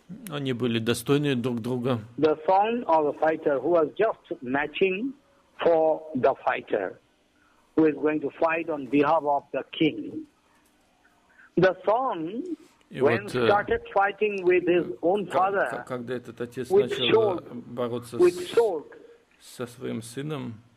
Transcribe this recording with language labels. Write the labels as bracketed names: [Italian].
[Russian] Они были достойны друг друга. [English] The son or the fighter who was just matching for the fighter who is going to fight on behalf of the king. The son. [Russian] И вот, когда этот отец начал бороться со своим сыном,